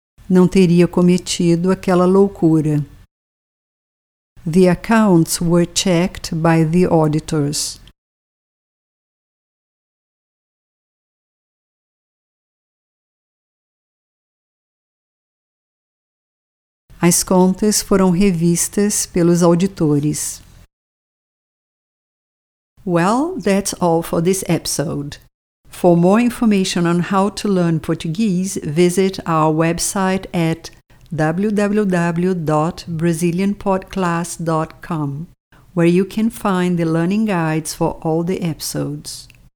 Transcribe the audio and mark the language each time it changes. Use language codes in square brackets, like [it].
[pt] Não teria cometido aquela loucura. [en] The accounts were checked by the auditors. [pt] As contas foram revistas pelos auditores. [en] Well, that's all for this episode. For more information on how to learn Portuguese, visit our website at www.brazilianpodclass.com, where you can find the learning guides for all the episodes.